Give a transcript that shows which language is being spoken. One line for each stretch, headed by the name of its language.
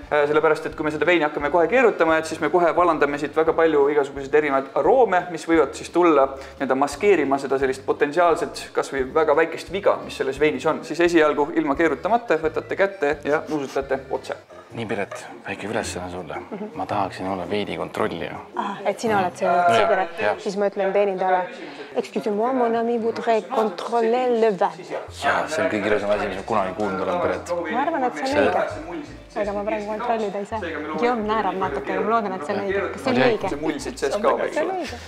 Estonian: Sellepärast, et kui me seda veini hakkame kohe keerutama, siis me kohe valandame siit väga palju igasugused erinevad aroome, mis võivad siis tulla maskeerima seda sellist potentsiaalset kasvõi väga väikest viga, mis selles veinis on. Siis esialgu ilma keerutamata võtate kätte ja nuusutate otse. Nii, Piret, väike ülesõna sulle. Ma tahaksin olla veidi kontrollija. Ah, et sina oled see, Piret. Siis ma ütlen teenindajale.
French: Excuse-moi, mon ami voudrait contrôler le vin.
Estonian: Jah, see on kõige ilusam asja, mis ma kunagi kuulnud olen, Piret. Ma arvan, et see on õige. Aga ma praegu kontrollida ei saa. Jõm naerab natuke, aga ma loodan, et see on õige. Kas see on õige? See mullisid sees ka või?